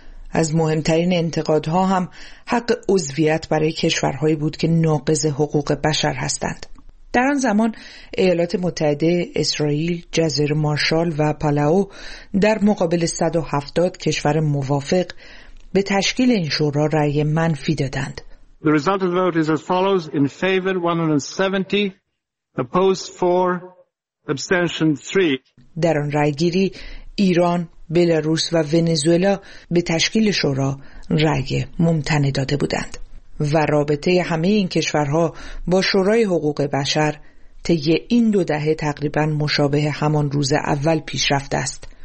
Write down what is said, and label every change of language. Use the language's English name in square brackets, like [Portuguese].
[Persian] از مهمترین انتقادها هم حق عضویت برای کشورهایی بود که ناقض حقوق بشر هستند. در آن زمان ایالات متحده، اسرائیل، جزیره مارشال و پالاو در مقابل 170 کشور موافق به تشکیل این شورا رأی منفی دادند. [English] The result of the vote is as follows: in favor 170, opposed 4, abstention 3. [Persian] در آن رأی‌گیری ایران، بلاروس و ونزوئلا به تشکیل شورا رأی ممتنع داده بودند. و رابطه همه این کشورها با شورای حقوق بشر طی این 2 دهه تقریبا مشابه همان روز اول پیش رفته است.